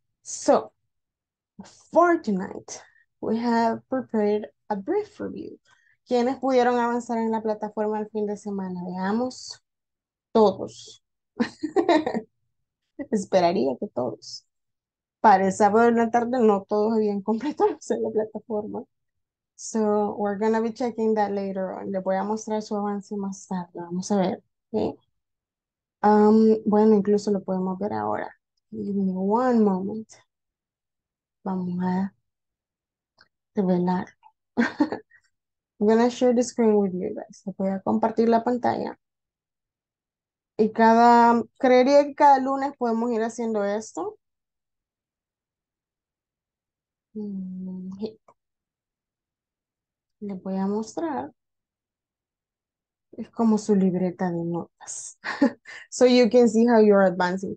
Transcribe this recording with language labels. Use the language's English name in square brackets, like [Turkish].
[English] So, for tonight, we have prepared a brief review. [Spanish] ¿Quiénes pudieron avanzar en la plataforma el fin de semana? Veamos, todos. Esperaría que todos. Para el sábado en la tarde, no todos habían completado la plataforma. [English] So, we're going to be checking that later on. [Spanish] Le voy a mostrar su avance más tarde. Vamos a ver, ¿okay? Bueno, incluso lo podemos ver ahora. [English] Give me one moment. [Spanish] Vamos a revelar. [English] I'm going to share the screen with you guys. [Spanish] Voy a compartir la pantalla. Y creería que cada lunes podemos ir haciendo esto. Le voy a mostrar. Es como su libreta de notas. [English] So you can see how you're advancing.